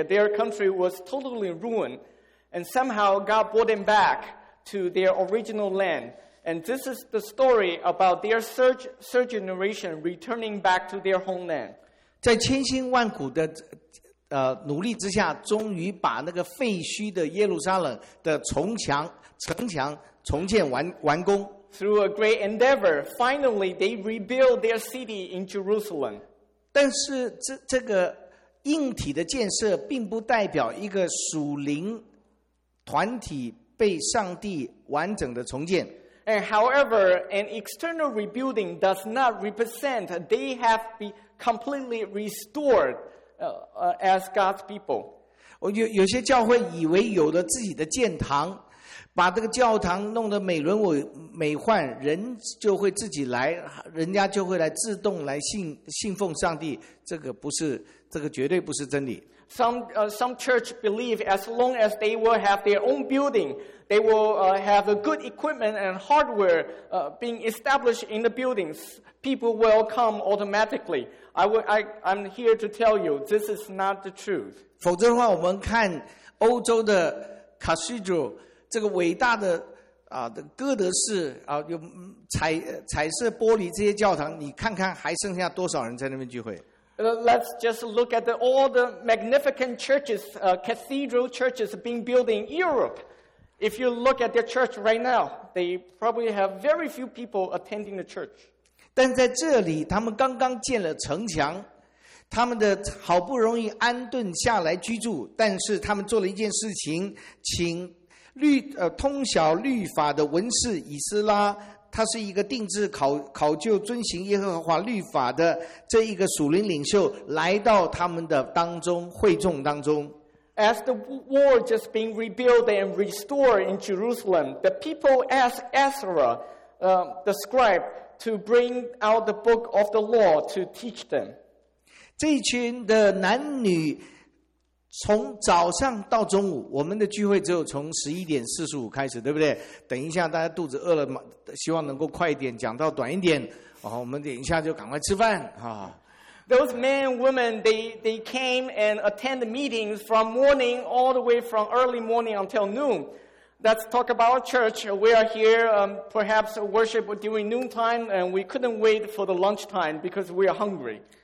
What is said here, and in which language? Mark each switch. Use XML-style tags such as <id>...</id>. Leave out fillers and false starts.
<en>Their country was totally ruined, and somehow God brought them back to their original land. And this is the story about their third generation returning back to their homeland.</en> <zh>在千辛万苦的努力之下，终于把那个废墟的耶路撒冷的城墙重建完工。</zh> <en>Through a great endeavor, finally they rebuild their city in Jerusalem.</en> <zh>但是 这个硬体的建设并不代表一个属灵团体被上帝完整的重建。</zh> <en>And however, an external rebuilding does not represent they have been completely restored as God's people.</en> <zh>有些教会以为有了自己的建堂，把这个教堂弄得美轮美奂，人就会自己来，人家就会来自动来信奉上帝。这个不是，这个绝对不是真理。</zh> <en>Some church believe as long as they will have their own building, they will have a good equipment and hardware being established in the buildings, people will come automatically. I'm here to tell you, this is not the truth.</en> <zh>否则的话，我们看欧洲的 cathedral。这个伟大的哥德式有彩色玻璃这些教堂，你看看还剩下多少人在那边聚会。</zh> <en>Let's just look at all the magnificent churches, cathedral churches being built in Europe. If you look at their church right now, they probably have very few people attending the church.</en> <zh>但在这里，他们刚刚建了城墙，他们的好不容易安顿下来居住，但是他们做了一件事情，请通晓律法的文士以斯拉，他是一个定制考究遵行耶和华律法的这一个属灵领袖，来到他们的当中，会众当中。</zh> <en>As the wall just being rebuilt and restored in Jerusalem, the people asked Ezra, the scribe, to bring out the book of the law to teach them.</en> <zh>这群的男女从早上到中午，我们的聚会只有从11:45开始，对不对？等一下大家肚子饿了，希望能够快一点讲到短一点，然后我们等一下就赶快吃饭啊。</zh> <en>Those men and women, they came and attend the meetings from morning all the way from early morning until noon. Let's talk about church. We are here, perhaps worship during noontime, and we couldn't wait for the lunchtime because we are hungry.</en>